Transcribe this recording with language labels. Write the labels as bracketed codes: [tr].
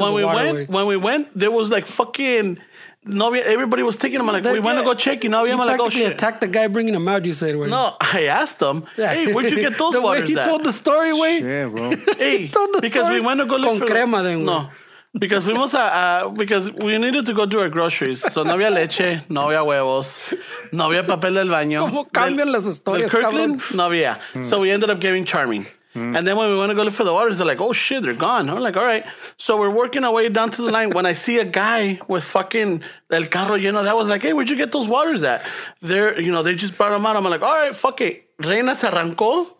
[en] When we went, there was like fucking, no, everybody was taking them. I'm like, we went to go check. You know, I'm like, oh shit. Attacked the guy bringing them out, you said, no, I asked them, hey, where'd you get those waters at? He told the story, way. Shit, bro. Hey, because we went to go look [es] con [en] for crema, then, no. Because we must because we needed to go do our groceries. [es] So no había leche, no había huevos, no había papel del baño. ¿Cómo cambian las historias, del Kirkland, cabrón? No había. [en] So we ended up giving Charming. And then when we want to go look for the waters, they're like, oh shit, they're gone. I'm like, all right. So we're working our way down to the line. When I see a guy with fucking [es] el carro lleno, [en] that was like, hey, where'd you get those waters at? They're, you know, they just brought them out. I'm like, all right, fuck it. [es] Reina se arrancó.